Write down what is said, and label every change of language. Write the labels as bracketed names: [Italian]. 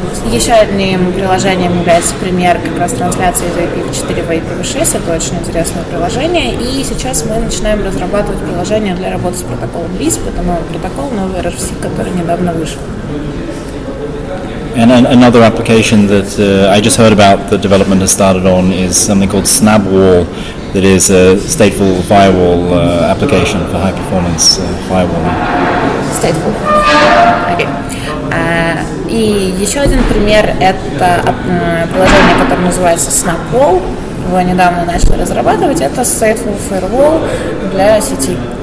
[Russian] Еще одним приложением является пример как раз трансляции из IPv4 в IPv6. Это очень интересное приложение. И сейчас мы начинаем разрабатывать приложение для работы с протоколом LISP. Это новый протокол, новый RFC, который недавно вышел. [English] And another application that I just heard about that development has started on is something called SnabWall, that is a stateful firewall application for high performance firewalling. Stateful. Okay. [Russian] И еще один пример – это приложение, которое называется SnabWall. Его недавно начали разрабатывать. Это stateful firewall для сети.